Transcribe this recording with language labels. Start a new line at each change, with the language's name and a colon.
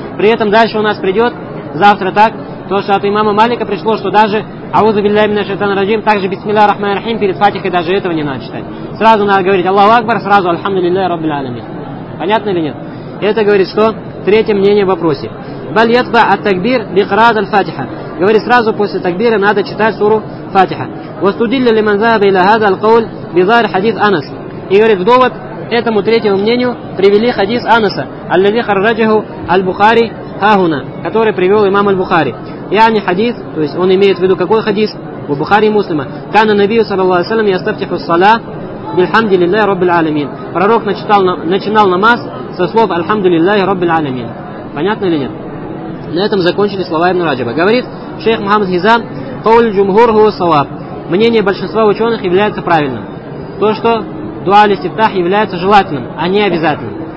Russian: При этом дальше у нас придет завтра так, то, что от имама Малика пришло, что даже аузу биллахи минаш шайтанир раджим, также бисмиллахир рахманир рахим перед Фатихой даже этого не надо читать. Сразу надо говорить Аллаху Акбар, сразу альхамду лилляхи раббиль аалямин. Понятно или нет? Это говорит, что третье мнение в вопросе.
Arabic: بل يتبع التكبير لقراءة الفاتحة.
Russian: Говорит, сразу после такбира надо читать суру Фатиха.
Arabic: واستدل لمن ذهب إلى هذا القول بظاهر حديث أنس.
Russian: И говорит, в довод этому третьему мнению привели хадith Анаса,
Arabic: الذي خرجه البخاري هاهنا,
Russian: который привел имам البخاري.
Arabic: يعني حديث,
Russian: то есть он имеет в виду какой хадith? В Бухари и Муслима.
Arabic: كان النبي صلى الله عليه وسلم يستفتح الصلاة بالحمد لله رب العالمين.
Russian: Пророк начинал намаз со слов
Arabic: الحمد لله رب العالمين.
Russian: Понятно или нет? На этом закончили слова Ибн Раджаба. Говорит шейх Мухаммад Хизам,
Arabic: قول الجمهور هو الصواب.
Russian: Мнение большинства ученых является правильным. То, что дуа листифтах является желательным, а не обязательным.